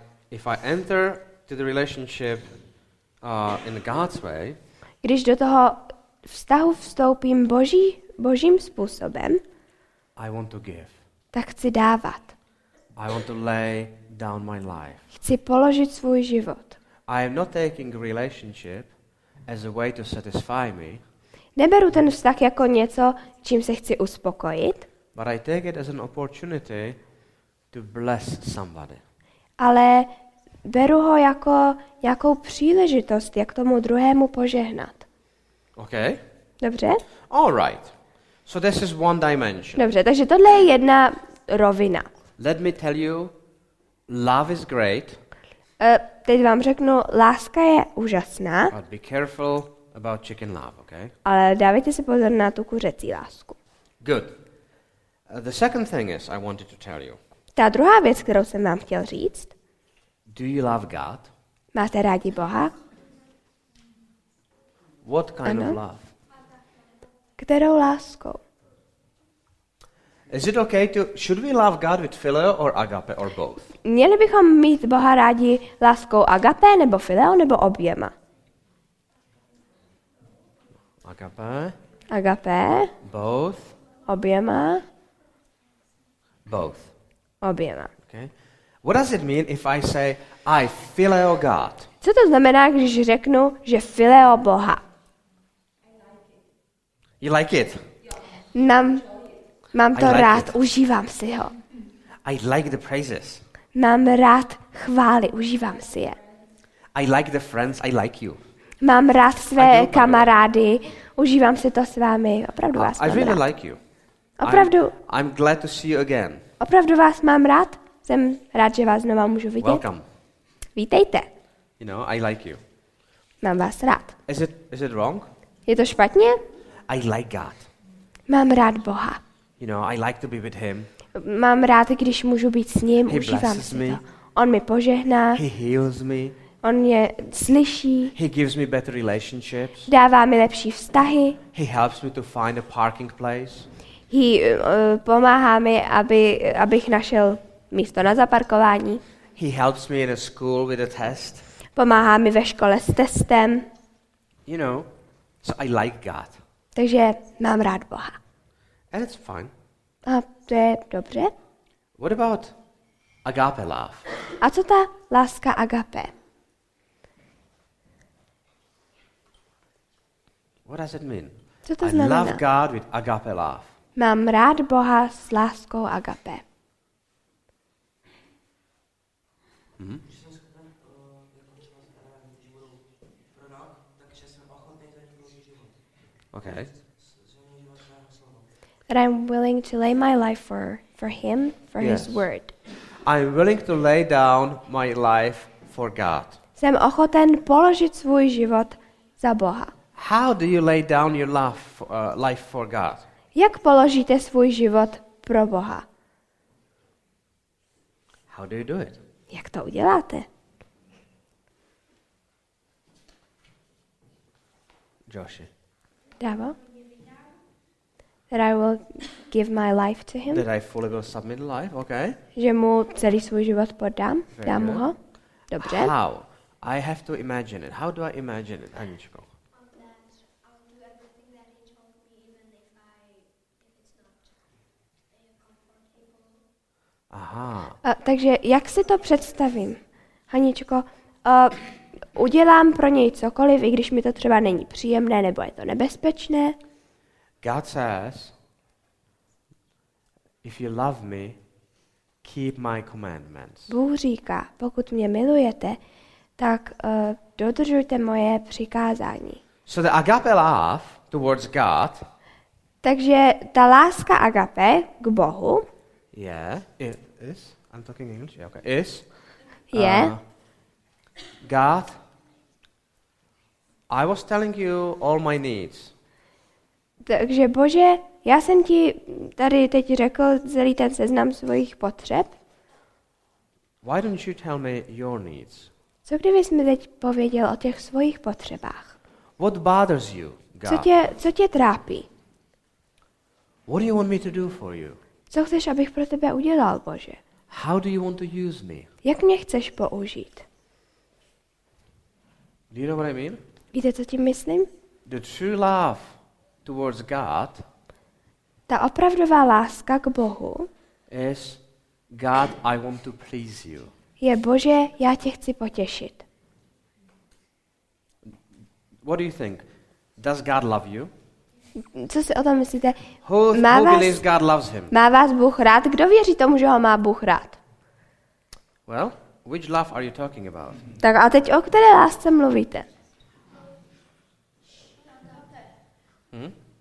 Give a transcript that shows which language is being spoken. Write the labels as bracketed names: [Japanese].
[English] If I enter to the relationship in God's way, [Czech] když do toho vztahu vstoupím božím způsobem, [English] I want to give. [Czech] Tak chci dávat. [English] I want to lay down my life. [Czech] Chci položit svůj život. [English] I am not taking relationship as a way to satisfy me. [Czech] Neberu ten vztah jako něco, čím se chci uspokojit. [English] But I take it as an opportunity to bless somebody. [Czech] Ale beru ho jako nějakou příležitost, jak tomu druhému požehnat. [English] Okay. [Czech] Dobře. [English] All right. So this is one dimension. [Czech] Dobře, takže tohle je jedna rovina. [English] Let me tell you, love is great. [Czech] Teď vám řeknu, láska je úžasná. [English] But be careful about chicken love, okay? [Czech] Ale dávejte si pozor na tu kuřecí lásku. [English] Good. The second thing is I wanted to tell you. [Czech] Ta druhá věc, kterou jsem vám chtěl říct. [English] Do you love God? [Czech] Máte rádi Boha? [English] What kind of love? [Czech] Kterou láskou? [English] Is it okay to should we love God with phileo or agape or both? [Czech] Měli bychom mít Boha rádi láskou agape nebo phileo nebo oběma? [English] Agape? [Czech] Agape? [English] Both? [Czech] Oběma? [English] Both. [Czech] Oběma. [English] Okay. What does it mean if I say I phileo God? [Czech] Co to znamená, když řeknu, že phileo Boha? [English] You like it? [Czech] Mám to [English] like [Czech] rád, [English] it. [Czech] Užívám si ho. [English] I like the praises. [Czech] Mám rád chvály, užívám si je. [English] I like the friends, I like you. [Czech] Mám rád své kamarády, užívám si to s vámi, opravdu vás mám [English] I really [Czech] rád. [English] Like you. [Czech] Opravdu. [English] I'm glad to see you again. [Czech] Opravdu vás mám rád, jsem rád, že vás znova můžu vidět. [English] Welcome. [Czech] Vítejte. [English] You know, I like you. [Czech] Mám vás rád. [English] Is it wrong? [Czech] Je to špatně? [English] I like God. [Czech] Mám rád Boha. [English] You know, I like to be with him. [Czech] Mám rád, když můžu být s ním, [English] he [Czech] užívám [English] blesses [Czech] si [English] me. [Czech] To. On mi požehná. [English] He heals me. [Czech] On mě slyší. [English] He gives me better relationships. [Czech] Dává mi lepší vztahy. [English] He helps me to find a parking place. [Czech] Pomáhá mi, abych našel místo na zaparkování. [English] He helps me in a school with a test. [Czech] Pomáhá mi ve škole s testem. [English] You know, so I like God. [Czech] Takže mám rád Boha. [English] And it's fine. [Czech] A to je dobře. [English] What about agape love? [Czech] A co ta láska agape? [English] What does it mean? [Czech] Co to znamená? [English] I love God with agape love. [Czech] Mám rád Boha s láskou agape. Mm-hmm. [English] Okay. That I'm willing to lay my life for him, for yes. His word. I'm willing to lay down my life for God. [Czech] Jsem ochoten položit svůj život za Boha. [English] How do you lay down your life for God? [Czech] Jak položíte svůj život pro Boha? [English] How do you do it? [Czech] Jak to uděláte? Joshi. Davo. [English] That I will give my life to him. That I fully will submit life, okay. [Czech] Že mu celý svůj život poddám, dám mu ho. Dobře. [English] How? I have to imagine it. How do I imagine it, Aničko? [Czech] Aha. Takže jak si to představím, Haničko? Udělám pro něj cokoliv, i když mi to třeba není příjemné, nebo je to nebezpečné. [English] God says, if you love me, keep my commandments. [Czech] Bůh říká, pokud mě milujete, tak dodržujte moje přikázání. [English] So the agape love towards God. [Czech] Takže ta láska agape k Bohu. [English] Yeah, it is. I'm talking English. Yeah, okay. Is. Yeah. God. I was telling you all my needs. [Czech] Takže Bože, já jsem ti tady teď řekl celý ten seznam svých potřeb. [English] Why don't you tell me your needs? [Czech] Co kdybys mi teď pověděl o těch svých potřebách? [English] What bothers you, God? [Czech] Co tě trápí? [English] What do you want me to do for you? [Czech] Co chceš, abych pro tebe udělal, Bože? [English] How do you want to use me? [Czech] Jak mě chceš použít? [English] Do you know what I mean? [Czech] Víte, co tím myslím? [English] The true love towards God. [Czech] Ta opravdová láska k Bohu. [English] Is God, I want to please you. [Czech] Je Bože, já tě chci potěšit. [English] What do you think? Does God love you? [Czech] Co si o tom myslíte? [English] Who believes God loves him? [Czech] Má vás Bůh rád? Kdo věří tomu, že ho má Bůh rád? [English] Well, which love are you talking about? [Czech] Tak a teď o které lásce mluvíte? Hmm?